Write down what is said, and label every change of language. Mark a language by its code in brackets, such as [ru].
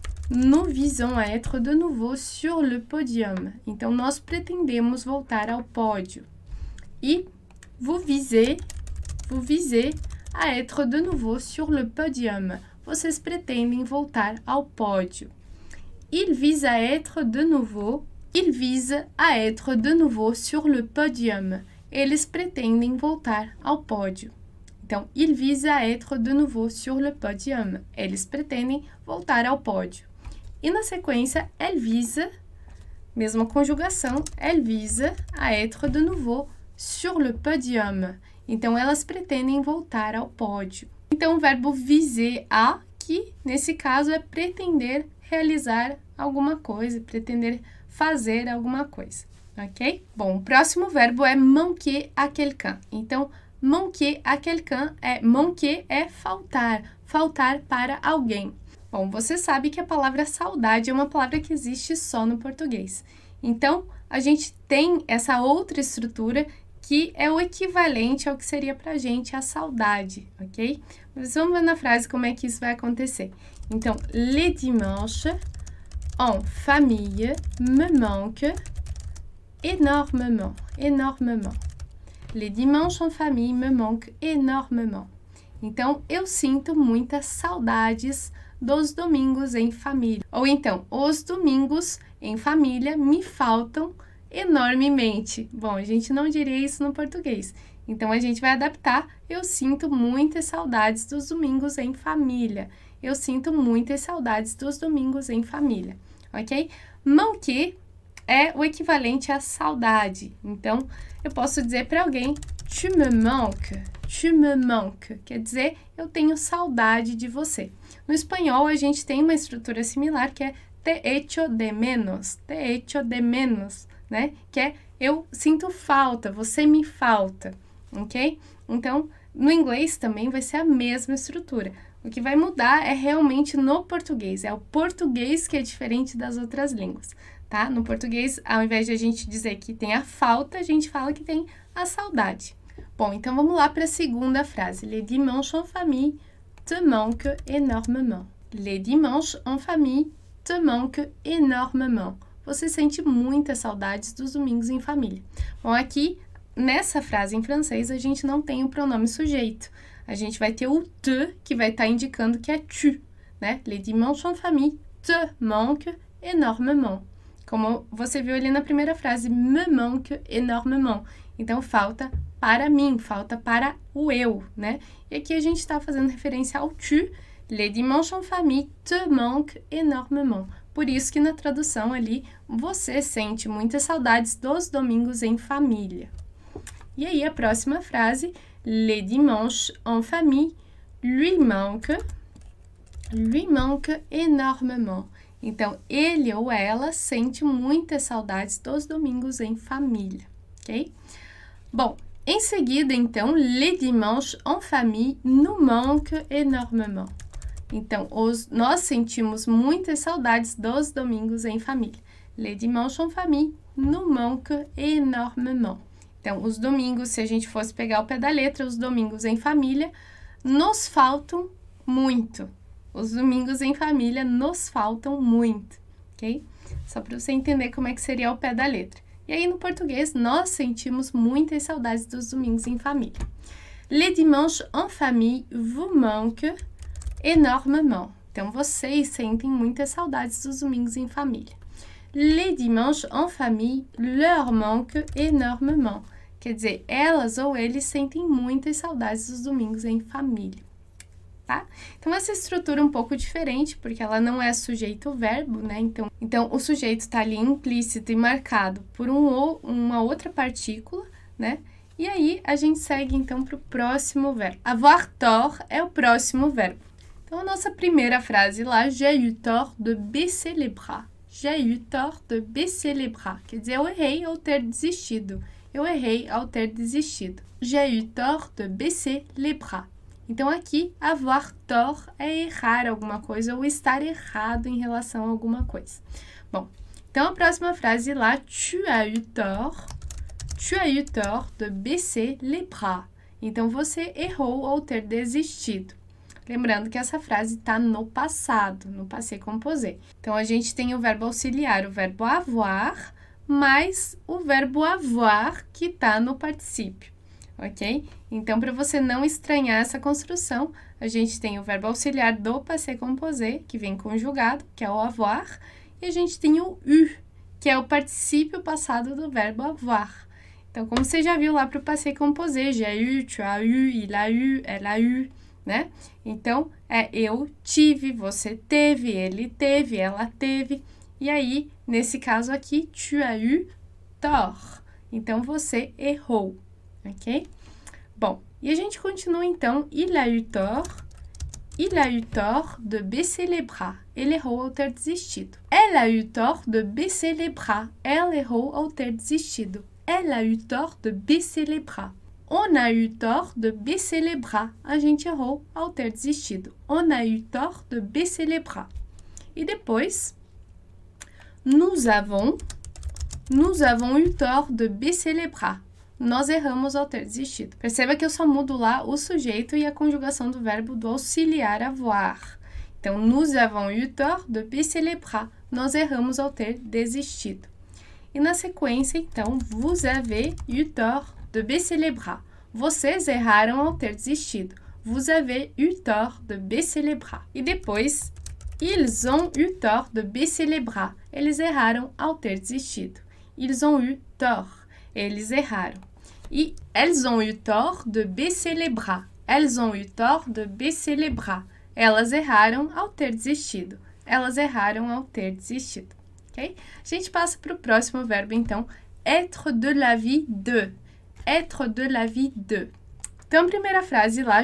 [fr] Nous visons à être de nouveau sur le podium. [pt] Então, nós pretendemos voltar ao pódio. [fr] E vous visez à être de nouveau sur le podium. [pt] Vocês pretendem voltar ao pódio. [fr] Il vise à être de nouveau sur le podium. [pt] eles pretendem voltar ao pódio. [fr] Então, il visa être de nouveau sur le podium. [pt] Eles pretendem voltar ao pódio. E na sequência, [fr] elle visa, [pt] mesma conjugação, [fr] elle visa à être de nouveau sur le podium. [pt] Então, elas pretendem voltar ao pódio. Então, o verbo viser à, que nesse caso é pretender realizar alguma coisa, pretender fazer alguma coisa, ok? Bom, o próximo verbo é manquer à quelqu'un. Então, manquer à quelqu'un é manquer é faltar para alguém. Bom, você sabe que a palavra saudade é uma palavra que existe só no português. Então, a gente tem essa outra estrutura que é o equivalente ao que seria para a gente a saudade, ok? Mas vamos ver na frase como é que isso vai acontecer. [fr] Então, les dimanches en famille me manquent énormément, énormément. Les dimanches en famille me manquent énormément. [pt] Então, eu sinto muitas saudades dos domingos em família. Ou então, os domingos em família me faltam enormemente. Bom, a gente não diria isso no português. Então, a gente vai adaptar. Eu sinto muitas saudades dos domingos em família. Eu sinto muitas saudades dos domingos em família. Ok? Manquer é o equivalente à saudade. Então, eu posso dizer para alguém, [fr] tu me manques, tu me manques. [pt] Quer dizer, eu tenho saudade de você. No espanhol, a gente tem uma estrutura similar, que é [es] te echo de menos, [pt] te echo de menos, né? Que é, eu sinto falta, você me falta, ok? Então, no inglês também vai ser a mesma estrutura. O que vai mudar é realmente no português, é o português que é diferente das outras línguas, tá? No português, ao invés de a gente dizer que tem a falta, a gente fala que tem a saudade. Bom, então vamos lá para a segunda frase. [fr] Les dimanches en famille te manquent énormément. Les dimanches en famille te manquent énormément. [pt] Você sente muitas saudades dos domingos em família. Bom, aqui, nessa frase em francês, a gente não tem o pronome sujeito. A gente vai ter o te, que vai estar indicando que é tu, né? [fr] Les dimanches en famille te manquent énormément. [pt] Como você viu ali na primeira frase, [fr] me manque énormément. [pt] Então, falta para mim, falta para o eu, né? E aqui a gente está fazendo referência ao tu. Les dimanches en famille te manquent énormément. Por isso que na tradução ali, você sente muitas saudades dos domingos em família. E aí, a próxima frase, [fr] les dimanches en famille lui manque énormément. [pt] Então, ele ou ela sente muitas saudades dos domingos em família, ok? Bom, em seguida, então, [fr] les dimanches en famille nous manque énormément. [pt] Então, nós sentimos muitas saudades dos domingos em família. [fr] Les dimanches en famille nous manque énormément. [pt] Então, os domingos, se a gente fosse pegar o pé da letra, os domingos em família nos faltam muito. Os domingos em família nos faltam muito, ok? Só para você entender como é que seria o pé da letra. E aí, no português, nós sentimos muitas saudades dos domingos em família. [fr] Les dimanches en famille vous manquent énormément. [pt] Então, vocês sentem muitas saudades dos domingos em família. [fr] Les dimanches en famille leur manquent énormément. [pt] Quer dizer, elas ou eles sentem muitas saudades dos domingos em família, tá? Então, essa estrutura é um pouco diferente, porque ela não é sujeito-verbo, né? Então o sujeito está ali implícito e marcado por uma outra partícula, né? E aí, a gente segue, então, para o próximo verbo. Avoir tort é o próximo verbo. Então, a nossa primeira frase lá, [fr] j'ai eu tort de baisser les bras. J'ai eu tort de baisser les bras. [pt] Quer dizer, eu errei ao ter desistido. Eu errei ao ter desistido. [fr] J'ai eu tort de baisser les bras. [pt] Então, aqui, avoir tort é errar alguma coisa ou estar errado em relação a alguma coisa. Bom, então, a próxima frase lá, [fr] tu as eu tort de baisser les bras. [pt] Então, você errou ao ter desistido. Lembrando que essa frase está no passado, no passé composé. Então, a gente tem o verbo auxiliar, o verbo avoir, mais o verbo avoir que está no particípio, ok? Então, para você não estranhar essa construção, a gente tem o verbo auxiliar do passé composé, que vem conjugado, que é o avoir, e a gente tem o eu, que é o particípio passado do verbo avoir. Então, como você já viu lá para o passé composé, [fr] j'ai eu, tu as eu, il a eu, [pt] elle a eu, né? Então, é eu tive, você teve, ele teve, ela teve. E aí, nesse caso aqui, [fr] tu as eu tort. [pt] Então, você errou, ok? Bom, e a gente continua então. [fr] Il a eu tort de baisser les bras. [pt] Ele errou ao ter desistido. [fr] Elle a eu tort de baisser les bras. [pt] Ela errou ao ter desistido. [fr] Elle a eu tort de baisser les bras. On a eu tort de baisser les bras. [pt] A gente errou ao ter desistido. [fr] On a eu tort de baisser les bras. [pt] E depois, [fr] nous avons eu tort de baisser les bras. [pt] Nós erramos ao ter desistido. Perceba que eu só mudo lá o sujeito e a conjugação do verbo do auxiliar avoir. [fr] Então, nous avons eu tort de baisser les bras. [pt] Nós erramos ao ter desistido. E na sequência, então, [fr] vous avez eu tort de baisser les bras. [pt] Vocês erraram ao ter desistido. [fr] Vous avez eu tort de baisser les bras. [pt] E depois, [fr] ils ont eu tort de baisser les bras. [pt] Eles erraram ao ter desistido. [fr] Ils ont eu tort. [pt] Eles erraram. [fr] E elles ont eu tort de baisser les bras. Elles ont eu tort de baisser les bras. [pt] Elas erraram ao ter desistido. Elas erraram ao ter desistido. Okay? A gente passa para o próximo verbo, então. [fr] Être de la vie de. Être de la vie de. [pt] Então, primeira frase lá.